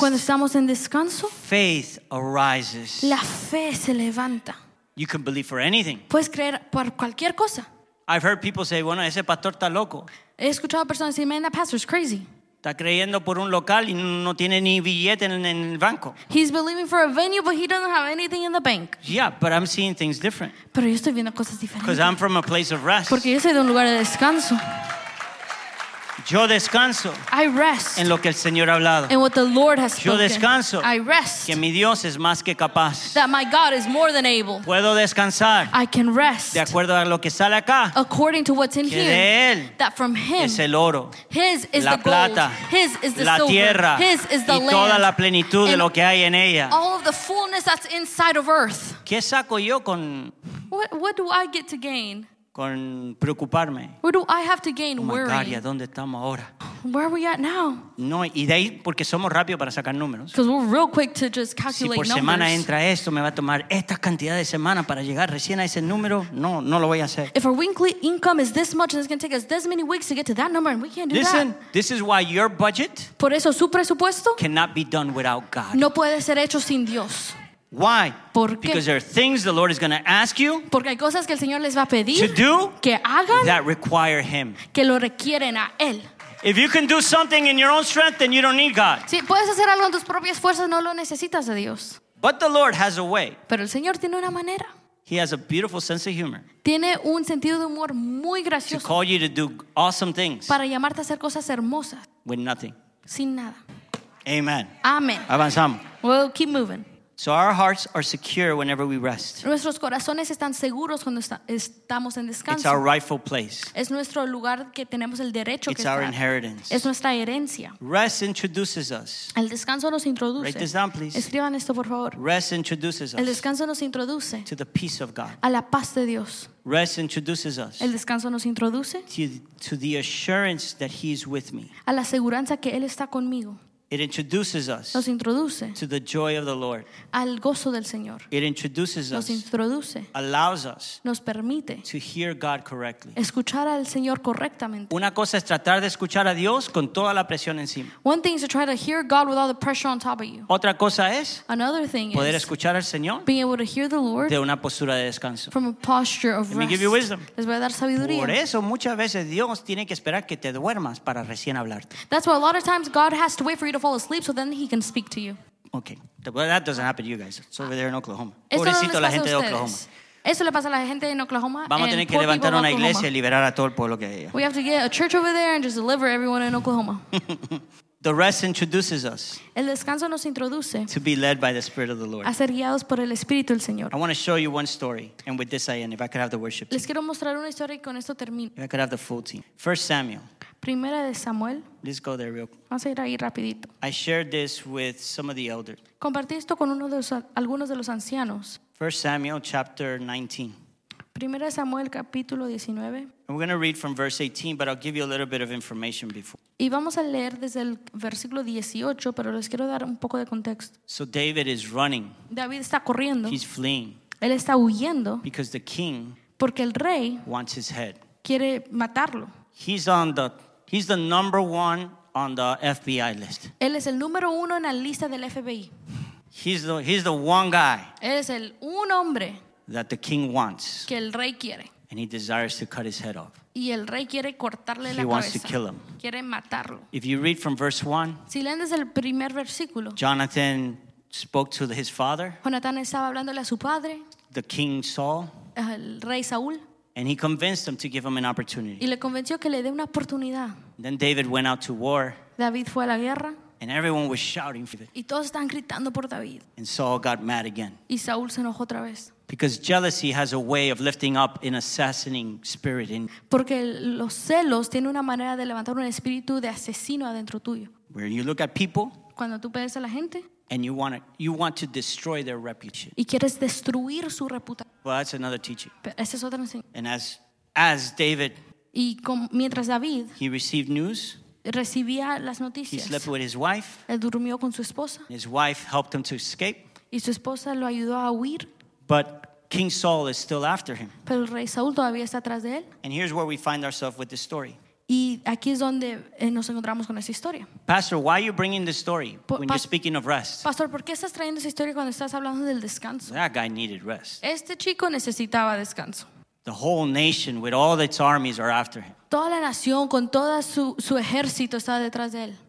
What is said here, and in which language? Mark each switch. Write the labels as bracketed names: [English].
[Spanish] cuando estamos en descanso, [English] faith arises. [Spanish] La fe se levanta. [English] You can believe for anything. [Spanish] Puedes creer por cualquier cosa. [English] I've heard people say, [Spanish] bueno, ese pastor está loco. He escuchado personas decir, [English] man, that pastor's crazy. [Spanish] Está creyendo por un local y no tiene ni billete en el banco. [English] He's believing for a venue, but he doesn't have anything in the bank. Yeah, but I'm seeing things different. [Spanish] Pero yo estoy viendo cosas diferentes. [English] Because I'm from a place of rest. [Spanish] Porque yo soy de un lugar de descanso. Yo descanso. [English] I rest. [Spanish] En lo que el Señor ha hablado. [English] In what the Lord has [Spanish] yo [English] spoken. [Spanish] Yo descanso. [English] I rest. [Spanish] Que mi Dios es más que capaz. [English] That my God is more than able. [Spanish] Puedo descansar. [English] I can rest. [Spanish] De acuerdo a lo que sale acá. [English] According to what's in [Spanish] que [English] here. [Spanish] De él. [English] That from him. [Spanish] Es el oro. [English] His is [Spanish] la [English] the [Spanish] plata, [English] gold. His is the [Spanish] la [English] silver. [Spanish] Tierra, [English] his is the land. [Spanish] Y toda la plenitud de lo que hay en ella. [English] All of the fullness that's inside of earth. [Spanish] ¿Qué saco yo con? [English] What do I get to gain? [Spanish] Con preocuparme. [English] What do I have to gain oh worrying? [Spanish] God, ¿a dónde estamos ahora? [English] Where are we at now? [Spanish] No, y de ahí porque somos rápidos para sacar números. [English] Because we're real quick to just calculate numbers. [Spanish] Si por semana entra esto, me va a tomar esta cantidad de semana para llegar recién a ese número. No, no lo voy a hacer. [English] If our weekly income is this much, and it's going to take us this many weeks to get to that number, and we can't do Listen, that. Listen, this is why your budget [Spanish] por eso su presupuesto [English] cannot be done without God. [Spanish] No puede ser hecho sin Dios. [English] Why? [Spanish] ¿Por qué? [English] Because there are things the Lord is going to ask you [Spanish] Porque hay cosas que el Señor les va a pedir [English] to do [Spanish] que hagan [English] that require Him. [Spanish] Que lo requieren a Él. [English] If you can do something in your own strength, then you don't need God. [Spanish] Si puedes hacer algo en tus propias fuerzas, no lo necesitas de Dios. [English] But the Lord has a way. [Spanish] Pero el Señor tiene una manera. [English] He has a beautiful sense of humor. [Spanish] Tiene un sentido de humor muy gracioso. [English] To call you to do awesome things. [Spanish] Para llamarte a hacer cosas hermosas. [English] With nothing. [Spanish] Sin nada. [English] Amen. [Spanish] Amen. Avanzamos. [English] We'll keep moving. So our hearts are secure whenever we rest. [Spanish] Nuestros corazones están seguros cuando estamos en descanso. [English] It's our rightful place. [Spanish] Es nuestro lugar que tenemos el derecho. [English] It's our inheritance. [Spanish] Es nuestra herencia. [English] Rest introduces us. [Spanish] El descanso nos introduce. [English] Write this down, please. [Spanish] Escriban esto, por favor. [English] Rest introduces us. [Spanish] El descanso nos introduce. [English] To the peace of God. [Spanish] A la paz de Dios. [English] Rest introduces us. [Spanish] El descanso nos introduce. [English] To the assurance that He is with me. [Spanish] A la seguridad que Él está conmigo. [English] It introduces us [Spanish] Nos introduce [English] to the joy of the Lord. [Spanish] Al gozo del Señor. [English] It introduces [Spanish] Nos introduce [English] us, allows us [Spanish] Nos permite [English] to hear God correctly. [Spanish] Escuchar al Señor correctamente. Una cosa es tratar de escuchar a Dios con toda la presión encima. [English] One thing is to try to hear God with all the pressure on top of you. [Spanish] Otra cosa es [English] Another thing [Spanish] poder [English] is [Spanish] escuchar al Señor [English] being able to hear the Lord [Spanish] de una postura de descanso. [English] From a posture of Let rest. Me give you wisdom. [Spanish] Les voy a dar sabiduría. Por eso muchas veces Dios tiene que esperar que te duermas para recién hablarte. [English] That's why a lot of times God has to wait for you to fall asleep so then he can speak to you. Okay. Well, that doesn't happen to you guys. It's over there in Oklahoma. [Spanish] Pobrecito la gente de Oklahoma. Eso le pasa a la gente en Oklahoma. Vamos a tener que levantar una iglesia y liberar a todo el pueblo que hay. [English] We have to get a church over there and just deliver everyone in Oklahoma. The rest introduces us. [Spanish] El descanso nos introduce. [English] To be led by the Spirit of the Lord. [Spanish] A ser guiados por el Espíritu del Señor. [English] I want to show you one story, and with this I end. If I could have the worship team. [Spanish] Les quiero mostrar una historia y con esto termino. [English] If I could have the full team. First Samuel. [Spanish] Primera de Samuel. [English] Let's go there real quick. [Spanish] Vamos a ir ahí rapidito. [English] I shared this with some of the elders. [Spanish] Compartí esto con uno de los, algunos de los ancianos. [English] First Samuel chapter 19. [Spanish] Primera de Samuel capítulo 19. [English] We're going to read from verse 18, but I'll give you a little bit of information before. [Spanish] Y vamos a leer desde el versículo 18, pero les quiero dar un poco de contexto. [English] So David is running. [Spanish] David está corriendo. [English] He's fleeing. [Spanish] Él está huyendo. [English] Because the king. [Spanish] Porque el rey. [English] Wants his head. [Spanish] Quiere matarlo. [English] He's on the number one on the FBI list. [Spanish] Él es el número uno en la lista del FBI. [English] He's the one guy. [Spanish] Él es el un hombre. [English] That the king wants. [Spanish] Que el rey quiere. [English] And he desires to cut his head off. [Spanish] Y el rey quiere cortarle [English] he [Spanish] la cabeza. [English] He wants to kill him. [Spanish] Quiere matarlo. [English] If you read from verse 1. [Spanish] Si leen desde el primer versículo. [English] Jonathan spoke to his father. [Spanish] Jonathan estaba hablándole a su padre. [English] The king Saul. [Spanish] El rey Saúl. [English] And he convinced him to give him an opportunity. [Spanish] Y le convenció que le dé una oportunidad. [English] Then David went out to war. [Spanish] David fue a la guerra. [English] And everyone was shouting for it. [Spanish] Y todos están gritando por David. [English] And Saul got mad again. [Spanish] Y Saúl se enojó otra vez. [English] Because jealousy has a way of lifting up an assassinating spirit in. [Spanish] Porque los celos tienen una manera de levantar un espíritu de asesino adentro tuyo. [English] Where you look at people. [Spanish] Cuando tú ves a la gente. [English] And you want to destroy their reputation. [Spanish] Y quieres destruir su reputación. [English] Well, that's another teaching. [Spanish] Pero esa es otra enseñanza. [English] And as David. [Spanish] Y con, mientras David. [English] He received news. [Spanish] Recibía las noticias. [English] He slept with his wife. [Spanish] Él durmió con su esposa. [English] His wife helped him to escape. [Spanish] Y su esposa lo ayudó a huir. [English] But King Saul is still after him. [Spanish] Pero el rey Saúl todavía está tras de él. [English] And here's where we find ourselves with this story. [Spanish] Y aquí es donde nos encontramos con esa historia. [English] Pastor, why are you bringing this story when you're speaking of rest? [Spanish] Pastor, ¿por qué estás trayendo esa historia cuando estás hablando del descanso? [English] That guy needed rest. [Spanish] Este chico necesitaba descanso. [English] The whole nation with all its armies are after him. [Spanish] Toda la nación con todo su ejército está detrás de él.